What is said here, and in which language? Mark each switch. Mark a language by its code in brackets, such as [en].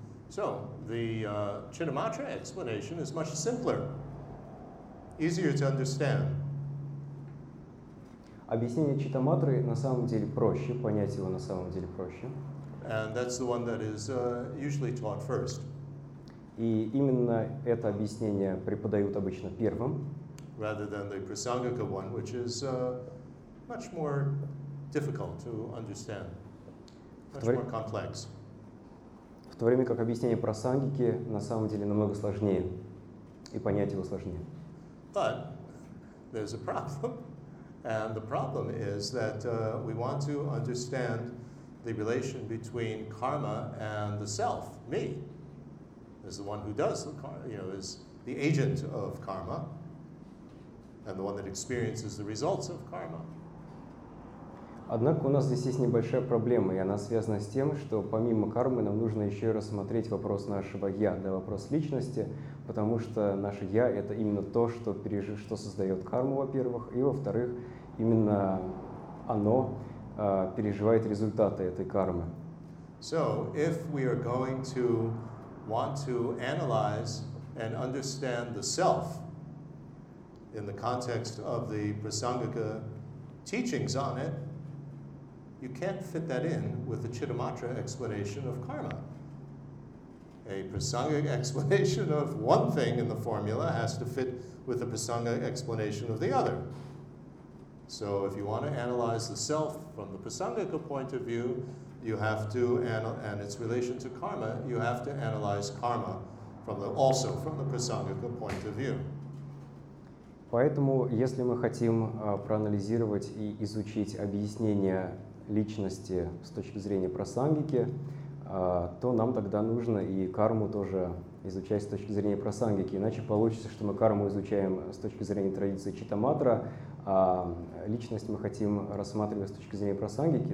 [en] So, the Chittamatra explanation is much simpler, easier to understand. [ru] Объяснение Читтаматры на самом деле проще, понять его на самом деле проще. [en] And that's the one that is usually taught first. [ru] И именно это объяснение преподают обычно первым. [en] Rather than the Prasangika one, which is much more difficult to understand, much more complex. [ru] В то время как объяснение прасангики на самом деле намного сложнее, и понять его сложнее. [en] But there's a problem, and the problem is that we want to understand the relation between karma and the self, me, the is the one who does the karma, you know, is the agent of karma, and the one that experiences the results of karma. [ru] Однако у нас здесь есть небольшая проблема, и она связана с тем, что помимо кармы нам нужно еще и рассмотреть вопрос нашего «я», да, вопрос личности, потому что наше «я» — это именно то, что, что создает карму, во-первых, и, во-вторых, именно оно переживает результаты этой кармы. [en] So, if we are going to want to analyze and understand the self in the context of the Prasangika teachings on it, you can't fit that in with the Chittamatra explanation of karma. A Prasangika explanation of one thing in the formula has to fit with the Prasangika explanation of the other. So if you want to analyze the self from the Prasangika point of view, you have to, and its relation to karma, you have to analyze karma from the, also from the Prasangika point of view. [ru] Поэтому, если мы хотим проанализировать и изучить объяснение личности с точки зрения просангики, то нам тогда нужно и карму тоже изучать с точки зрения просангики. Иначе получится, что мы карму изучаем с точки зрения традиции читаматра, а личность мы хотим рассматривать с точки зрения просангики.